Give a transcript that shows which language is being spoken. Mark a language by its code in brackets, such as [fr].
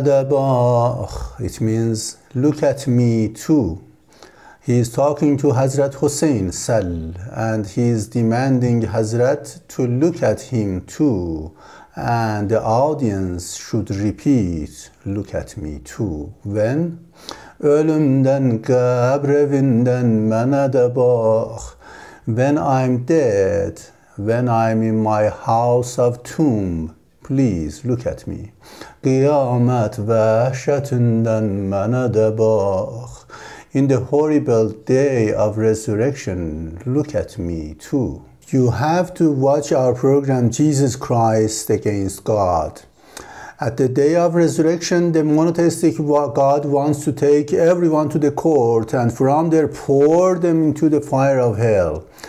[en] Manadabakh, it means, look at me too. He is talking to Hazrat Hussein Sal, and he is demanding Hazrat to look at him too, and the audience should repeat, look at me too. When? [az] Ölümden qabr evinden mənə də bax. [en] When I'm dead, when I'm in my house of tomb, please look at me. [az] Qiyamət vəhşətindən mənə də bax. [en] In the horrible day of resurrection, look at me too. You have to watch our program, Jesus Christ Against God. At the day of resurrection, the monotheistic God wants to take everyone to the court and from there pour them into the fire of hell.